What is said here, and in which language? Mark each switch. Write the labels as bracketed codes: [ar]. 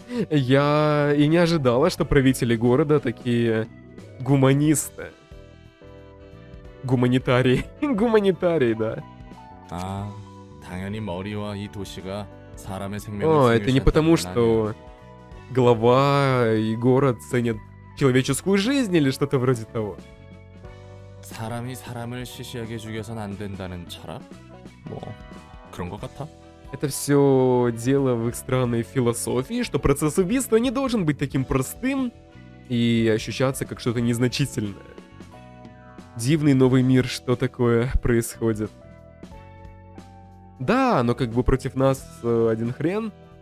[ru] Я и не ожидала, что правители города такие гуманисты. Гуманитарии. Гуманитарии, да. [ko] А, 당연히 머리와 이 도시가 사람의 생명을. [ru] Это не потому, что глава и город ценят человеческую жизнь или что-то вроде того. [ko] 사람이 사람을 시시하게 죽여선 안 된다는 철학? 뭐 그런 것 같아. [ru] Это все дело в их странной философии, что процесс убийства не должен быть таким простым и ощущаться как что-то незначительное. Дивный новый мир, что такое происходит? Да, но как бы против нас один хрен.